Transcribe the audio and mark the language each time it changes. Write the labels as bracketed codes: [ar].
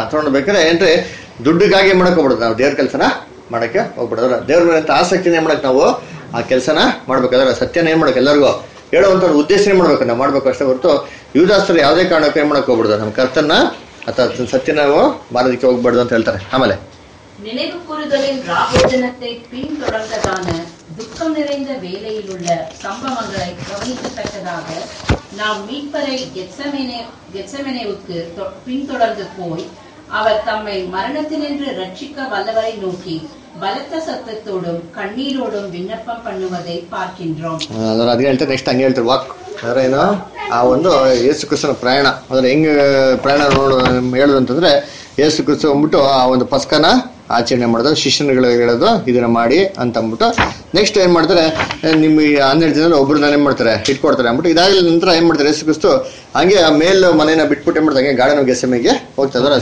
[kn] ತಗೊಂಡ್ಬೇಕಾದ್ರೆ ಏನ್ರಿ ದುಡ್ಡುಗಾಗಿ ಮಾಡಕ್ ಹೋಗ್ಬಾರ್ದು, ನಾವು ದೇವ್ರ ಕೆಲಸನ ಮಾಡಕ್ಕೆ ಹೋಗ್ಬಾರ್ದು. ದೇವ್ರ ಮೇಲೆ ಆಸಕ್ತಿನೇ ಮಾಡಕ್ಕೆ ನಾವು ಆ ಕೆಲಸನ ಮಾಡ್ಬೇಕಾದ್ರೆ ಸತ್ಯನ ಏನ್ ಮಾಡಕ್ ಎಲ್ಲರಿಗೂ ಹೇಳುವಂತ ಉದ್ದೇಶನೇ ಮಾಡ್ಬೇಕು, ನಾವು ಮಾಡ್ಬೇಕು ಅಷ್ಟೇ ಹೊರತು ಯುವದಾಸ್ತರು ಯಾವುದೇ ಕಾರಣಕ್ಕೆ ಏನ್ ಮಾಡಕ್ ಹೋಗ್ಬಾರ್ದು, ನಮ್ ಕರ್ತನ ಅಥವಾ ಸತ್ಯನ ಮಾಡೋದಕ್ಕೆ ಹೋಗ್ಬಾರ್ದು ಅಂತ ಹೇಳ್ತಾರೆ. ಆಮೇಲೆ [ta] நினைவு கூறுதலின் ராபோஜனத்தை பின் தொடர்ந்ததான துக்கம் நிறைந்த வேலையில் உள்ள சம்பவங்களை கவனிக்கத்தக்கதாக நாம் மீட்பரை கெத்செமனேவுக்கு பின்தொடர்ந்து போய் அவர் தம்மை மரணத்தினின்று ரட்சிக்க வல்லவரை நோக்கி பலத்த சத்தத்தோடும் கண்ணீரோடும் விண்ணப்பம் பண்ணுவதை பார்க்கின்றோம். [kn] ಏನೋ ಆ ಒಂದು ಯೇಸು ಕ್ರಿಸ್ತನ ಪ್ರಯಾಣ ಅಂದ್ರೆ ಹೆಂಗ ಪ್ರಯಾಣ ನೋಡ ಹೇಳುದು ಅಂತಂದ್ರೆ ಯೇಸು ಕ್ರಿಸ್ತ ಬಂದ್ಬಿಟ್ಟು ಆ ಒಂದು ಪಸ್ಕನ ಆಚರಣೆ ಮಾಡಿದ್ರು, ಶಿಷ್ಯನಗಳಿಗೆ ಹೇಳೋದು ಇದನ್ನ ಮಾಡಿ ಅಂತ ಅಂದ್ಬಿಟ್ಟು ನೆಕ್ಸ್ಟ್ ಏನ್ ಮಾಡ್ತಾರೆ, ನಿಮ್ಮ 12 ಜನ ಒಬ್ಬರನ್ನ ಏನ್ ಮಾಡ್ತಾರೆ ಇಟ್ಕೊಡ್ತಾರೆ ಅಂದ್ಬಿಟ್ಟು ಇದಾಗಲಿ ನಂತರ ಏನ್ ಮಾಡ್ತಾರೆ ಯೇಸು ಕ್ರಿಸ್ತು ಹಂಗೆ ಆ ಮೇಲ್ ಮನೆಯನ್ನ ಬಿಟ್ಬಿಟ್ಟು ಏನ್ ಮಾಡ್ತಾರೆ ಗಾರ್ಡನ್ ಗೆಸೆಮೆಗೆ ಹೋಗ್ತಾ ಇದಾರೆ.